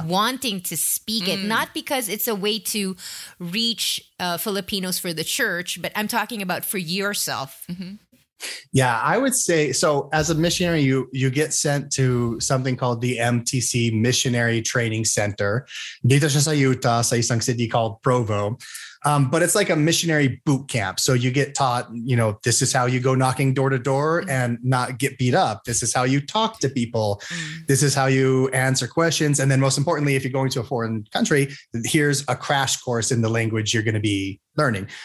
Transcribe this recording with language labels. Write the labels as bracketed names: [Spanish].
[English] And wanting to speak it, not because it's a way to reach Filipinos for the church, but I'm talking about for yourself. Mm-hmm. Yeah, I would say, so as a missionary, you get sent to something called the MTC Missionary Training Center. [Filipino] Dito siya sa Utah, sa isang [English] city called [Filipino] Provo. [English] But it's like a missionary boot camp. So you get taught, you know, this is how you go knocking door to door and not get beat up. This is how you talk to people. This is how you answer questions. And then most importantly, if you're going to a foreign country, here's a crash course in the language you're going to be learning.